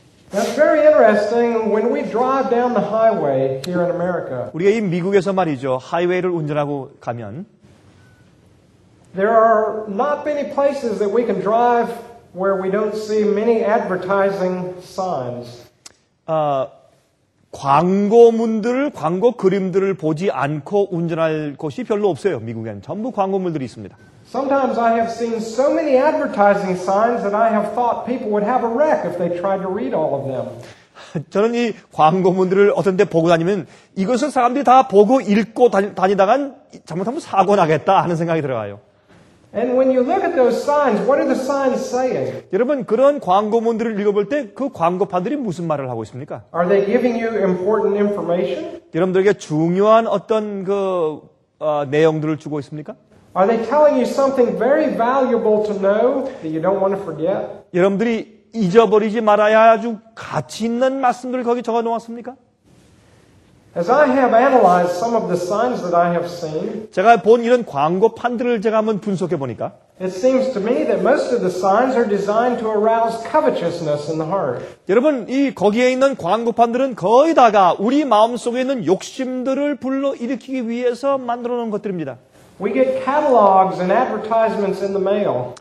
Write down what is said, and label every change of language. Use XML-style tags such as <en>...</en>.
<en>That's very interesting. When we drive down the highway here in America,</en> <ko>우리가 이 미국에서 말이죠 하이웨이를 운전하고 가면,</ko> <en>there are not many places that we can drive where we don't see many advertising signs.</en> <ko>광고문들을 광고 그림들을 보지 않고 운전할 곳이 별로 없어요. 미국에는 전부 광고물들이 있습니다.</ko> <en>Sometimes I have seen so many advertising signs that I have thought people would have a wreck if they tried to read all of them.</en> <ko>저는 이 광고문들을 어떤 데 보고 다니면 이것을 사람들이 다 보고 읽고 다니다간 잘못하면 사고 나겠다 하는 생각이 들어가요.</ko> <en>And when you look at those signs, what are the signs saying?</en> <ko>여러분 그런 광고문들을 읽어볼 때 그 광고판들이 무슨 말을 하고 있습니까?</ko> <en>Are they giving you important information?</en> <ko>여러분들에게 중요한 어떤 그 내용들을 주고 있습니까?</ko> <en>Are they telling you something very valuable to know that you don't want to forget?</en> <ko>여러분들이 잊어버리지 말아야 아주 가치 있는 말씀들을 거기 적어 놓았습니까?</ko> <en>As I have analyzed some of the signs that I have seen,</en> <ko>제가 본 이런 광고판들을 제가 한번 분석해 보니까,</ko> <en>it seems to me that most of the signs are designed to arouse covetousness in the heart.</en> <ko>여러분, 이 거기에 있는 광고판들은 거의 다가 우리 마음속에 있는 욕심들을 불러일으키기 위해서 만들어 놓은 것들입니다.</ko> <en>We get catalogs and advertisements in the mail.</en>